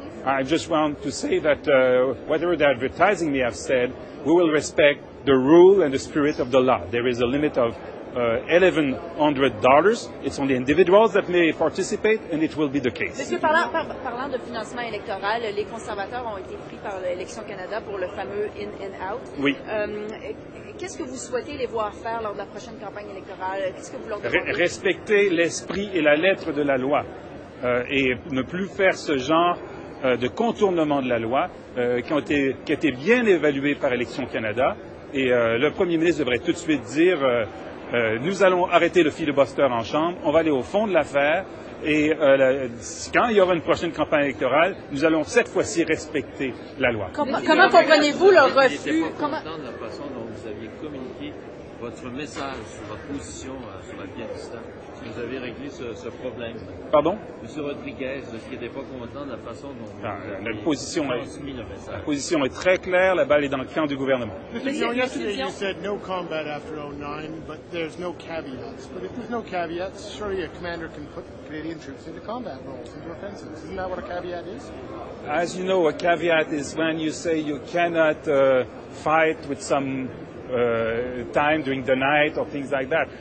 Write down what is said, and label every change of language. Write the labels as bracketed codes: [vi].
[en] I just want to say that whatever the advertising may have said, we will respect the rule and the spirit of the law. There is a limit of $1,100. It's only individuals that may participate, and it will be the case. [fr] Monsieur, parlant de financement électoral, les conservateurs ont été pris par l'Élection Canada pour le fameux in-out. Oui. Qu'est-ce que vous souhaitez les voir faire lors de la prochaine campagne électorale? Qu'est-ce que vous leur demandez? Respecter l'esprit et la lettre de la loi et ne plus faire ce genre de contournement de la loi qui a été bien évalué par Élection Canada. Et le Premier ministre devrait tout de suite dire nous allons arrêter le filibuster en chambre, on va aller au fond de l'affaire et quand il y aura une prochaine campagne électorale, nous allons cette fois-ci respecter la loi. Comment comprenez-vous leur refus? Vous n'étiez pas content de la façon dont vous aviez communiqué votre message sur votre position sur l'Afghanistan. Vous avez réglé ce problème. Pardon? Monsieur Rodriguez, est-ce qu'il n'était pas content de la façon dont La position est très claire, la balle est dans le camp du gouvernement. [en] Monsieur Dion, yesterday you said no combat after 09, but there's no caveats. But if there's no caveats, surely a commander can put Canadian troops into combat roles, into offensives. Isn't that what a caveat is? As you know, a caveat is when you say you cannot fight with some time during the night or things like that.